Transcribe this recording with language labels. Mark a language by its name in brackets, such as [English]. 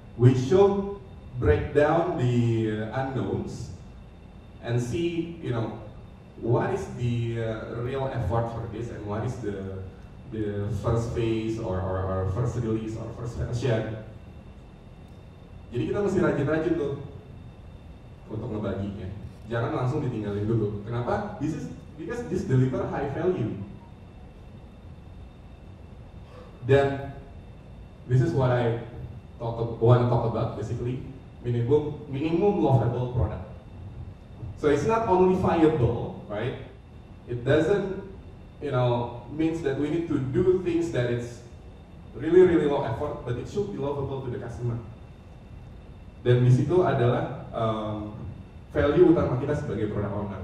[English] We should break down the unknowns and see, you know, what is the real effort for this and what is the first phase or first release or first version. [Indonesian] Jadi kita mesti rajin-rajin tuh untuk ngebaginya. Jangan langsung ditinggalin dulu. Kenapa? [English] This is because this deliver high value. Then this is what I want to talk about basically. Minimum lovable product. So it's not only viable, right? It doesn't, you know, means that we need to do things that it's really really low effort, but it should be lovable to the customer. [Indonesian] Dan di situ adalah value utama kita sebagai product owner.